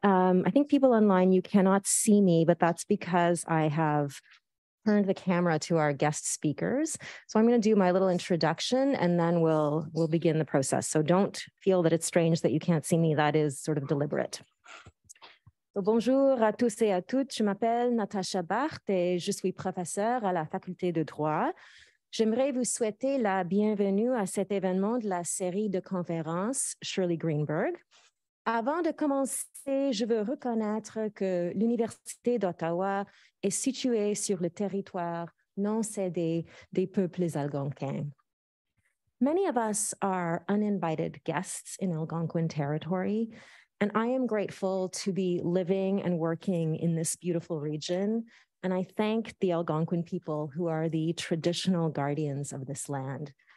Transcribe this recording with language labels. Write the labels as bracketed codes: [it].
[en] I think people online, you cannot see me, but that's because I have turned the camera to our guest speakers. So I'm going to do my little introduction and then we'll begin the process. So don't feel that it's strange that you can't see me. That is sort of deliberate. [fr] Bonjour à tous et à toutes. Je m'appelle Natasha Bakht et je suis professeure à la faculté de droit. J'aimerais vous souhaiter la bienvenue à cet événement de la série de conférences Shirley Greenberg. Avant de commencer, je veux reconnaître que l'Université d'Ottawa est située sur le territoire non cédé des peuples algonquins. [en] Many of us are uninvited guests in Algonquin territory, and I am grateful to be living and working in this beautiful region, and I thank the Algonquin people who are the traditional guardians of this land.